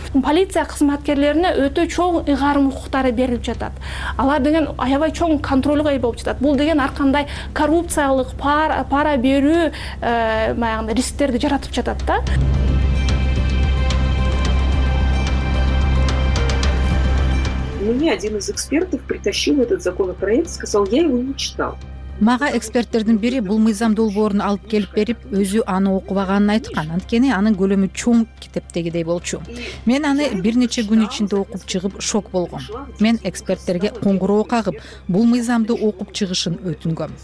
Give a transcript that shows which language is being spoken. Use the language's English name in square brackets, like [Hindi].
[Kyrgyz] Полиция кызматкерлерине өтө чоң ыйгарым укуктары берилип жатат. Алар деген аябай чоң контролго ээ болуп жатат. Бул деген ар кандай коррупциялык пара берүү баягындай рисктерди жаратып жатат да. [Russian] Мне один из экспертов притащил этот законопроект, сказал, я его не читал. [Kyrgyz] Мага эксперттердин бири бул мыйзам долбоорун алып келип берип, өзү аны окубаганын айткан. Анткени анын көлөмү чоң китептегидей болчу. Мен аны бир нече күн ичинде окуп чыгып шок болгом. Мен эксперттерге коңгуроо кагып, бул мыйзамды окуп чыгышын өтүнгөм.